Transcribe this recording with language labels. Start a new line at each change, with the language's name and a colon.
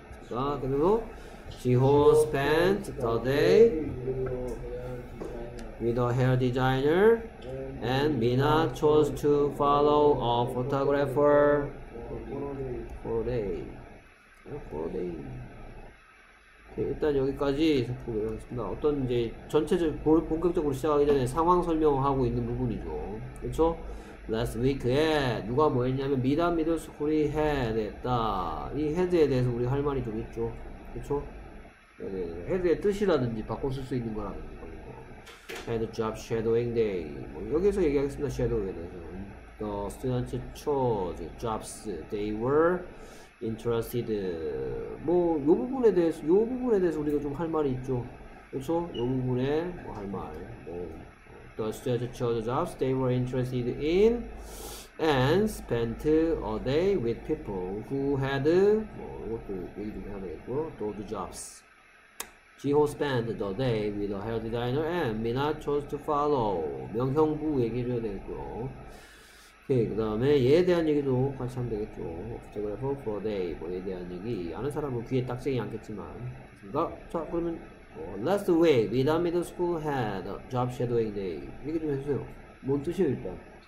Korean: 자, 그리고,
English: Jiho spent the day with a hair designer, and Mina chose to follow a photographer for a day. For a day. Okay,
Korean: 일단 여기까지 보겠습니다. 어떤 이제 전체적으로 본격적으로 시작하기 전에 상황 설명하고 있는 부분이죠. 그렇죠?
English: Last week
Korean: 에 누가 뭐 했냐면 Mina Middle School이 head 했다. 이 head에 대해서 우리 할 말이 좀 있죠. 그렇죠? 네, head의 뜻이라든지 바꿔 쓸 수 있는 거라든지.
English: Had a job shadowing day.
Korean: 뭐 여기서 얘기하겠습니다.
English: Shadow에 대해서는 The students chose jobs. They were interested.
Korean: 뭐 요 부분에 대해서 우리가 좀 할 말이 있죠. 그래서 요 부분에 뭐 할 말.
English: 뭐. The students chose jobs. They were interested in and spent a day with people who had
Korean: 뭐 이것도 얘기 좀 해야 되겠고
English: those jobs. Jiho spent the day with a hair designer and Mina chose to follow.
Korean: 명형부 얘기를 해야 되겠고요. 오케이, 그 다음에 얘에 대한 얘기도 같이 하면 되겠죠.
English: Photographer for a day.
Korean: 뭐 얘에 대한 얘기. 아는 사람은 귀에 딱쟁이 않겠지만. 됐습니까? 자, 그러면,
English: last week, Mina Middle School had a job shadowing day.
Korean: 얘기 좀 해주세요. 뭔 뜻이에요, 일단?